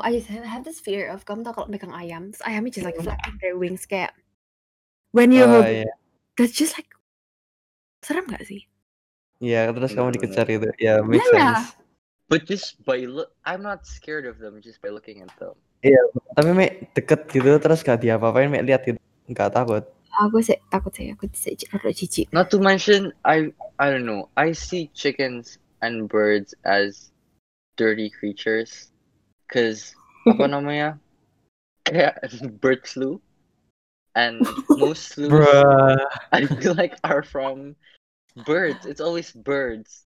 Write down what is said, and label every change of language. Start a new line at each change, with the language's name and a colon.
English: I just have this fear of
Indonesian: kamu tau kalau megang ayam,
English: so
Indonesian: ayam itu
English: just like flapping their wings. Kayak when you that's just like
Indonesian: serem nggak sih? Ya, yeah, terus kamu dikejar itu. Ya, yeah,
English: makes sense. But just by look, I'm not scared of them just by looking at them.
Indonesian: Iya, yeah, tapi mek deket gitu terus gak diapa-apain, mek lihat gitu. Gak takut. Aku sih takut sih, aku sih agak jijik.
English: Not to mention, I don't know, I see chickens and birds as dirty creatures.
Indonesian: Cause, apa namanya? Kayak bird flu.
English: And most flu, I feel like are from birds, it's always birds.